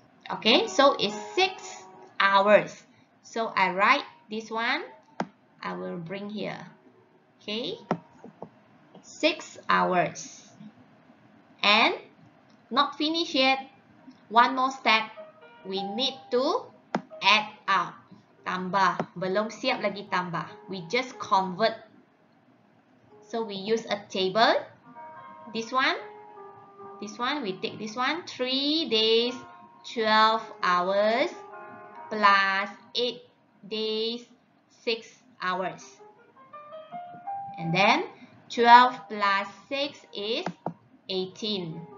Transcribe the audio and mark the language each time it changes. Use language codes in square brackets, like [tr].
[en] Okay, so it's 6 hours. So I write this one, I will bring here. Okay, 6 hours. And not finished yet. One more step, we need to add up. [ms] Tambah, belum siap lagi tambah. [en] We just convert. So we use a table. This one, we take this one. 3 days, 12 hours, plus 8 days, 6 hours. And then 12 plus 6 is 18.